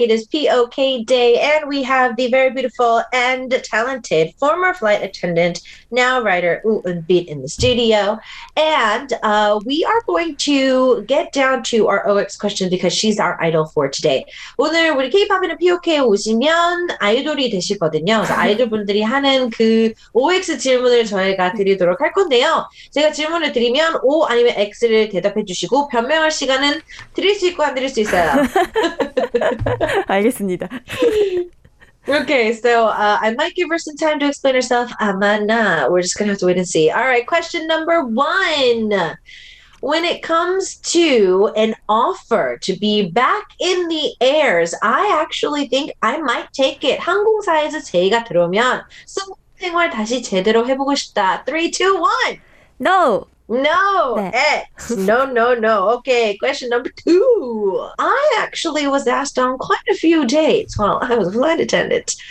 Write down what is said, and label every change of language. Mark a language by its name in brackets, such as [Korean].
[English] It is POK Day, and we have the very beautiful and talented former flight attendant, now writer, Eunbin, in the studio. And we are going to get down to our OX question because she's our idol for today. [Korean] 오늘 우리 K-pop이나 POK에 오시면 아이돌이 되시거든요. 그래서 아이돌분들이 하는 그 OX 질문을 저희가 드리도록 할 건데요. 제가 질문을 드리면 O 아니면 X를 대답해 주시고 변명할 시간은 드릴 수 있고 안 드릴 수 있어요. 알겠습니다. [English] Okay, so I might give her some time to explain herself. Amana, we're just gonna have to wait and see. All right, question number one. When it comes to an offer to be back in the airs, I actually think I might take it. [Korean] 항공사에서 제의가 들어오면 승무원 생활 다시 제대로 해보고 싶다. [English] 3, 2, 1. No. No, [Korean] 네. [English] X. No. Okay, question number two. I actually was asked on quite a few dates while I was a flight attendant.